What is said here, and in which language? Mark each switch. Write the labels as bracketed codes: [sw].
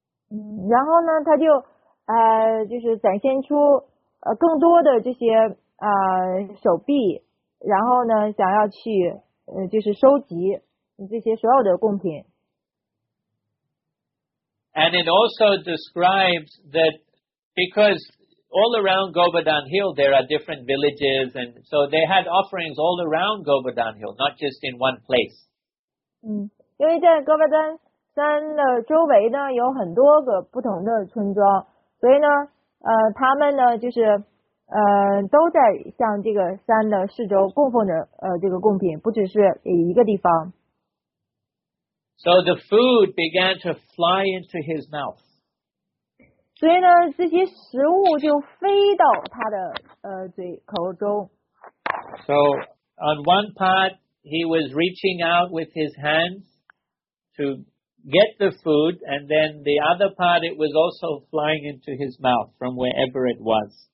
[zh] 然后呢，他就就是展现出更多的这些手臂，然后呢，想要去就是收集这些所有的贡品。 [en] And it also describes that because all around Govardhan Hill, there are different villages, and so they had offerings all around Govardhan Hill, not just in one place. [zh] 因为在 Govardhan 山的周围呢，有很多个不同的村庄，所以呢，他们呢，就是都在向这个山的四周供奉着这个贡品，不只是一个地方。 [en] So the food began to fly into his mouth. [zh] 所以呢，这些食物就飞到他的嘴口中。 [en] So on one part, he was reaching out with his hands to get the food, and then the other part, it was also flying into his mouth from wherever it was.